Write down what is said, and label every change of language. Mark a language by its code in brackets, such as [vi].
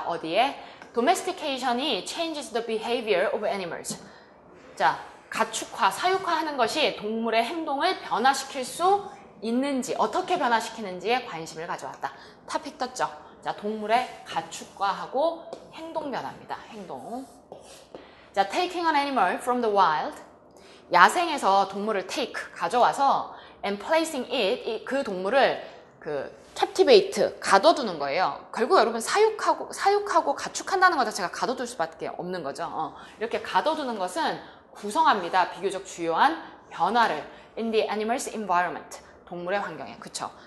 [ko] 어디에? [en] Domestication이 changes the behavior of animals. [ko] 자, 가축화, 사육화하는 것이 동물의 행동을 변화시킬 수 있는지, 어떻게 변화시키는지에 관심을 가져왔다. 탑픽 떴죠. 자, 동물의 가축화하고 행동 변화입니다. 행동. [en] 자, taking an animal from the wild. [ko] 야생에서 동물을 take, 가져와서 [en] and placing it, [ko] 그 동물을 그 captivate, 가둬두는 거예요. 결국 여러분 사육하고 가축한다는 것 자체가 가둬둘 수밖에 없는 거죠. 이렇게 가둬두는 것은 구성합니다. 비교적 주요한 변화를 [en] in the animal's environment, [ko] 동물의 환경에. 그렇죠.